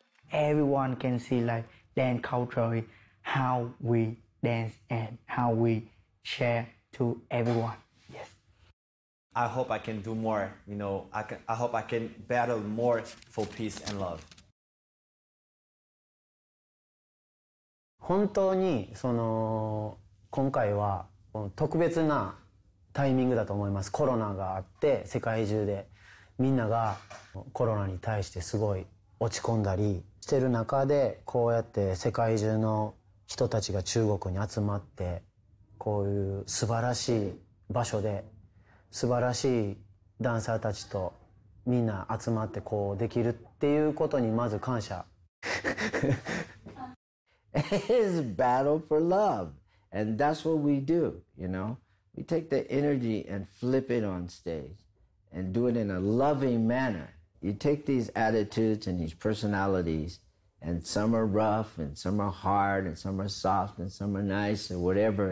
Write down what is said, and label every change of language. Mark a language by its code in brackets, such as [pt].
[en] Everyone can see like dance culture. How we dance and how we share to everyone. Yes. I hope I can do more, you know, I hope I can battle more for peace and love. [ja] 本当にその今回は特別なタイミングだと思います。コロナがあって世界中でみんながコロナに対してすごい落ち込んだりしてる中で、こうやって世界中の人たちが中国に集まって、こういう素晴らしい場所で素晴らしいダンサーたちとみんな集まってこうできるっていうことにまず感謝。 [en] It's a battle for love, and that's what we do, you know? We take the energy and flip it on stage and do it in a loving manner. You take these attitudes and these personalities, and some are rough and some are hard and some are soft and some are nice or whatever.